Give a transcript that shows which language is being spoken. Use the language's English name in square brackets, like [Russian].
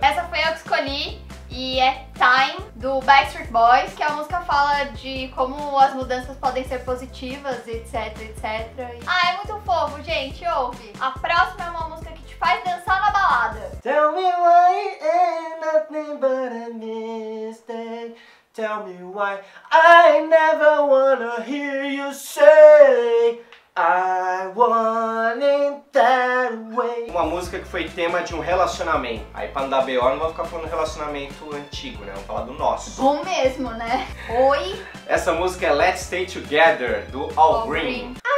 [Portuguese] Essa foi eu que escolhi e é Time, do Backstreet Boys, que a música fala de como as mudanças podem ser positivas, etc, etc. Ah, é muito fofo, gente, ouve. A próxima é uma música que te faz dançar na balada. [English] Tell me why ain't nothing but a mistake. Tell me why I never wanna hear you say. I want it that way. [Portuguese] Uma música que foi tema de um relacionamento. Aí pra não dar B.O. não vou ficar falando relacionamento antigo, né? Vamos falar do nosso. Bom mesmo, né? Oi? Essa música é Let's Stay Together, do Al Green.